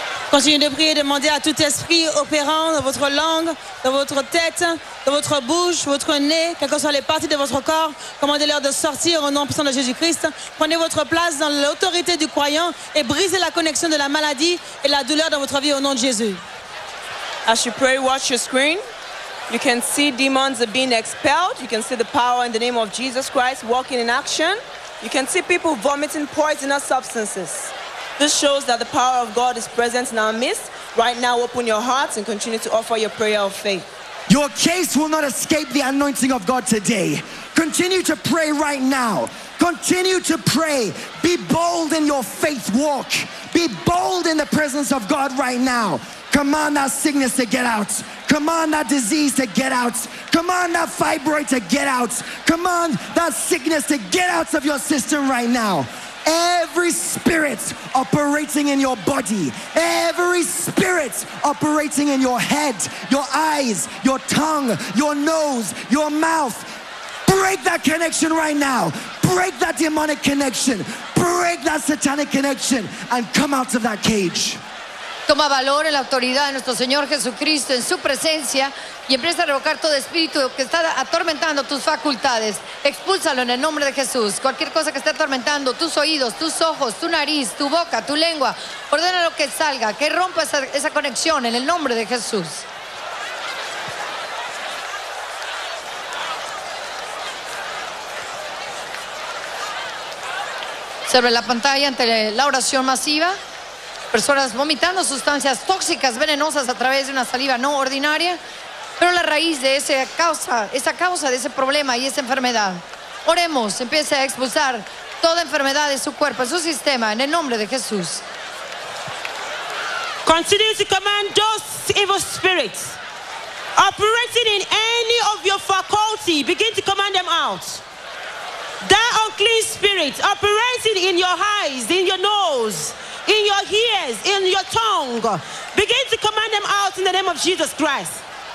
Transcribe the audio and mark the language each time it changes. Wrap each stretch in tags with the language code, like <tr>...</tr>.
<fr>Continuez de prier et demandez à tout esprit opérant dans votre langue, dans votre tête, dans votre bouche, votre nez, quelles que soient les parties de votre corps, commandez-leur de sortir au nom puissant de Jésus-Christ. Prenez votre place dans l'autorité du croyant et brisez la connexion de la maladie et la douleur dans votre vie au nom de Jésus.</fr> <en>As you pray, watch your screen. You can see demons are being expelled. You can see the power in the name of Jesus Christ walking in action. You can see people vomiting poisonous substances. This shows that the power of God is present in our midst. Right now, open your hearts and continue to offer your prayer of faith. Your case will not escape the anointing of God today. Continue to pray right now. Continue to pray. Be bold in your faith walk. Be bold in the presence of God right now. Command that sickness to get out. Command that disease to get out. Command that fibroid to get out. Command that sickness to get out of your system right now. Every spirit operating in your body, every spirit operating in your head, your eyes, your tongue, your nose, your mouth, break that connection right now. Break that demonic connection. Break that satanic connection and come out of that cage.</en> <es>Toma valor en la autoridad de nuestro Señor Jesucristo en su presencia y empieza a revocar todo espíritu que está atormentando tus facultades. Expúlsalo en el nombre de Jesús. Cualquier cosa que esté atormentando tus oídos, tus ojos, tu nariz, tu boca, tu lengua, ordena lo que salga, que rompa esa conexión en el nombre de Jesús. sobre la pantalla ante la oración masiva. Personas vomitando sustancias tóxicas, venenosas a través de una saliva no ordinaria. Pero la raíz de esa causa de ese problema y esa enfermedad. Oremos, empiece a expulsar toda enfermedad de su cuerpo, de su sistema, en el nombre de Jesús.</es> <en>Continue to command those evil spirits operating in any of your faculty, begin to command them out. That unclean spirit operating in your eyes, in your nose, in your ears, in your tongue, begin to command them out in the name of Jesus Christ.</en>